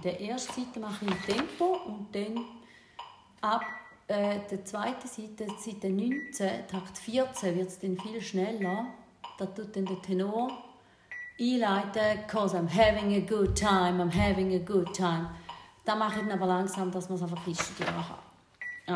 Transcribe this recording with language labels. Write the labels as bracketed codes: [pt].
[de] Der erste Seite mache ich im Tempo und dann ab der zweiten Seite, Seite 19, Takt 14, wird es dann viel schneller. Da tut dann der Tenor einleiten, [en] cause I'm having a good time, I'm having a good time. [de] Da mache ich dann aber langsam, dass man es einfach richtig machen kann.